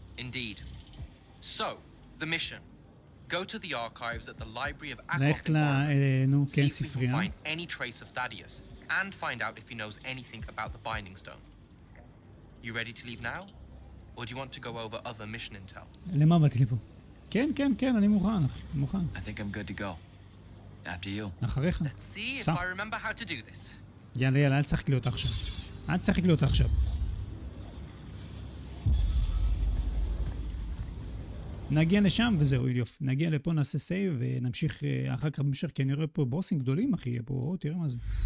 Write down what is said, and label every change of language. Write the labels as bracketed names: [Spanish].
[English] Indeed. So, the mission. Go to the archives at the library of Aveum. See if you can find any trace of Thaddeus and find out if he knows anything about the binding stone. You ready to leave now? Or do you want to go over other mission intel? [Hebrew] למה באתי לפה? כן, כן, כן, אני מוכן, אחי, מוכן. [English] I think I'm good to go. After you. [Hebrew] אחריך. [English] Let's see if I remember how to do this. [Hebrew] יאללה, יאללה, אל תשחק לי אותה עכשיו. אל תשחק לי אותה עכשיו. נגיע לשם וזהו, יופי. נגיע לפה, נעשה סייב ונמשיך אחר כך במשך, כי אני רואה פה בוסים גדולים, אחי, פה, תראה מה זה.